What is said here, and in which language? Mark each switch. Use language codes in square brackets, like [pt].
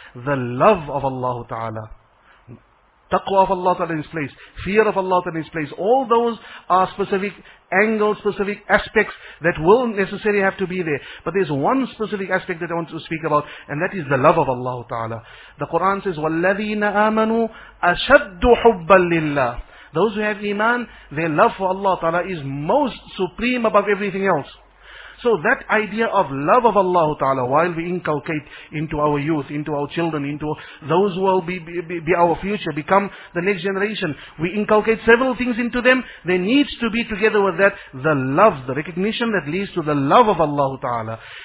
[en] The love of Allah Ta'ala. Taqwa of Allah Ta'ala in its place. Fear of Allah Ta'ala in its place. All those are specific angles, specific aspects that will necessarily have to be there. But there's one specific aspect that I want to speak about, and that is the love of Allah Ta'ala. The Quran says, [ar] وَالَّذِينَ آمَنُوا أَشَدُّ حُبَّا لِلَّهِ. [en] Those who have iman, their love for Allah Ta'ala is most supreme above everything else. So that idea of love of Allah Ta'ala, while we inculcate into our youth, into our children, into those who will be our future, become the next generation, we inculcate several things into them, there needs to be together with that, the love, the recognition that leads to the love of Allah Ta'ala.